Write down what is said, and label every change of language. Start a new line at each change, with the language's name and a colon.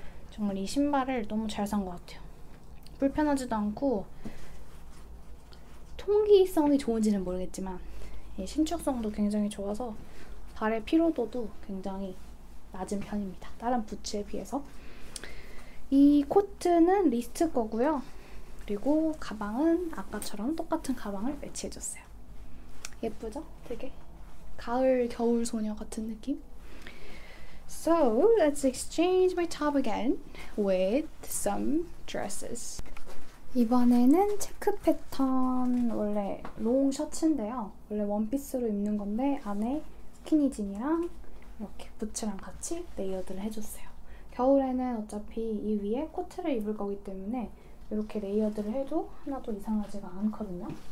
Korean: 정말 이 신발을 너무 잘산것 같아요. 불편하지도 않고 통기성이 좋은지는 모르겠지만 예, 신축성도 굉장히 좋아서 발의 피로도도 굉장히 낮은 편입니다. 다른 부츠에 비해서. 이 코트는 리스트 거고요. 그리고 가방은 아까처럼 똑같은 가방을 매치해줬어요. 예쁘죠? 되게 가을 겨울 소녀 같은 느낌?
English: So, let's exchange my top again with some dresses.
Korean: 이번에는 체크 패턴 원래 롱 셔츠인데요. 원래 원피스로 입는 건데 안에 스키니진이랑 이렇게 부츠랑 같이 레이어드를 해줬어요. 겨울에는 어차피 이 위에 코트를 입을 거기 때문에 이렇게 레이어드를 해도 하나도 이상하지가 않거든요.